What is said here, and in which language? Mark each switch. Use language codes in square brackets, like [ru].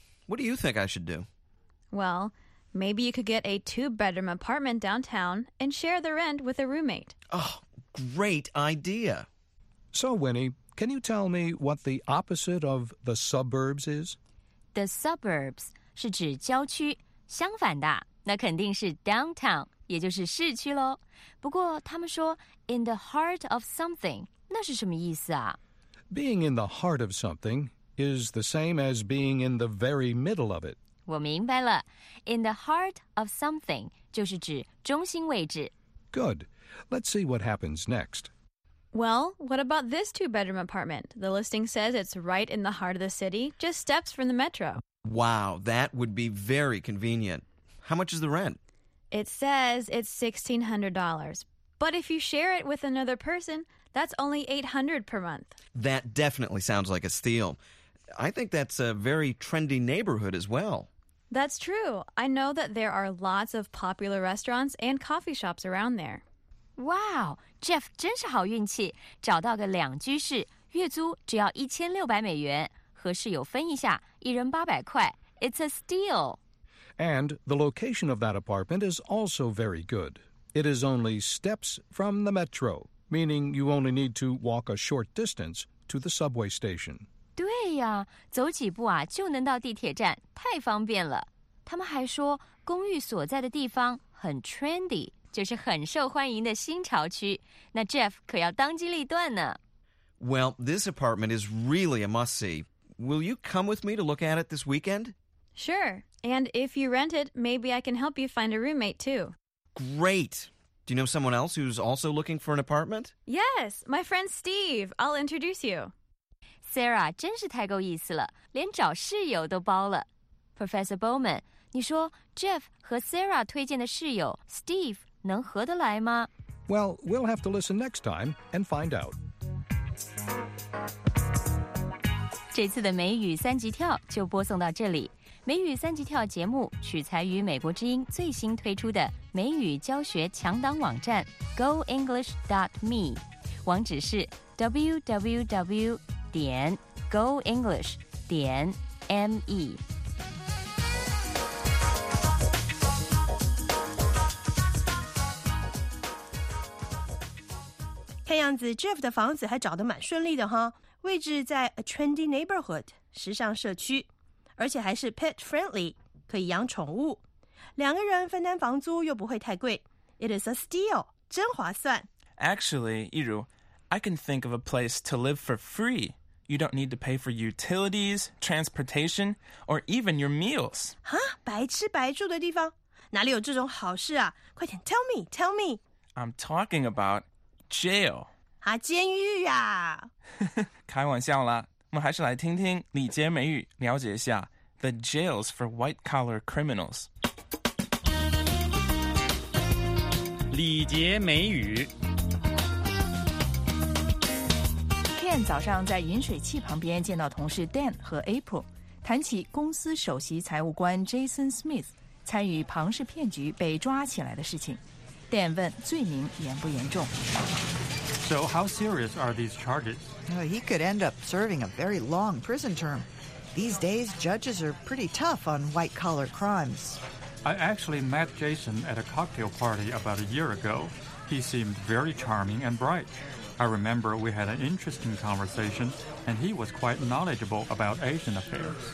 [en] What do you think I should do? Well, maybe you could get a two-bedroom apartment downtown and share the rent with a roommate. Oh, great idea. So, Winnie, can you tell me what the opposite of the suburbs is? [zh] The suburbs 是指郊区，相反的，那肯定是 downtown， 也就是市区咯。不过他们说 [en] in the heart of something， [zh] 那是什么意思啊？ [en] Being in the heart of something is the same as being in the very middle of it. [zh] 我明白了， [en] in the heart of something [zh] 就是指中心位置。 [en] Good. Let's see what happens next. Well, what about this two-bedroom apartment? The listing says it's right in the heart of the city, just steps from the metro. Wow, that would be very convenient. How much is the rent? It says it's $1,600. But if you share it with another person, that's only $800 per month. That definitely sounds like a steal. I think that's a very trendy neighborhood as well. That's true. I know that there are lots of popular restaurants and coffee shops around there. [zh] Wow, Jeff 真是好运气，找到个两居室，月租只要$1,600，和室友分一下，一人800块。 [en] It's a steal. And the location of that apartment is also very good. It is only steps from the metro, meaning you only need to walk a short distance to the subway station. [zh] 对呀，走几步啊就能到地铁站，太方便了。他们还说公寓所在的地方很 trendy， 就是很受欢迎的新潮区。那 Jeff 可要当机立断呢。 [en] Well, this apartment is really a must-see. Will you come with me to look at it this weekend? Sure. And if you rent it, maybe I can help you find a roommate, too. Great. Do you know someone else who's also looking for an apartment? Yes, my friend Steve. I'll introduce you. [zh] Sarah, 真是太够意思了，连找室友都包了。 Professor Bowman, 你说 Jeff 和 Sarah 推荐的室友 Steve 能合得来吗？ [en] Well, we'll have to listen next time and find out. [zh] 这次的美语三级跳就播送到这里。美语三级跳节目取材于美国之音最新推出的美语教学强档网站 goenglish.me， 网址是 www.goenglish.me。看样子 Jeff 的房子还找得蛮顺利的哈，位置在 [en] a trendy neighborhood [zh] 时尚社区，而且还是 pet friendly 可以养宠物，两个人分担房租又不会太贵。 [en] It is a steal， [zh] 真划算。 [en] Actually, Yiru, I can think of a place to live for free. You don't need to pay for utilities, transportation, or even your meals. [zh] 哈，白吃白住的地方，哪里有这种好事啊？快点 [en] tell me, tell me. I'm talking aboutJail. [zh] 啊，监狱啊。开玩笑啦，我们还是来听听李杰美语，了解一下 [en] The jails for white collar criminals. [zh] 李杰美语。 Ken 早上在饮水器旁边见到同事 Dan 和 April， 谈起公司首席财务官 Jason Smith 参与庞氏骗局被抓起来的事情。 Dan 问罪名严不严重。 [en] So how serious are these charges? Well, he could end up serving a very long prison term. These days, judges are pretty tough on white-collar crimes. I actually met Jason at a cocktail party about a year ago. He seemed very charming and bright. I remember we had an interesting conversation, and he was quite knowledgeable about Asian affairs.